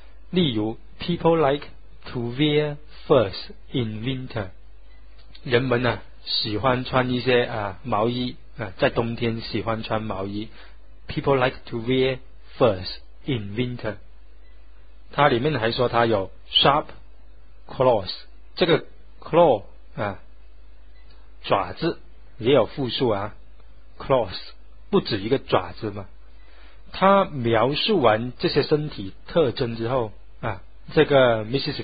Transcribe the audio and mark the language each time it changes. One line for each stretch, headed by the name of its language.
Chinese: 例如
English: people like to wear furs in winter，
Chinese: 人们喜欢穿一些毛衣在冬天喜欢穿毛衣。
English: People like to wear furs in winter。
Chinese: 它里面还说它有
English: sharp claws，
Chinese: 这个 claw 爪子也有复数claws 不止一个爪子嘛。它描述完这些身体特征之后这个 Mrs.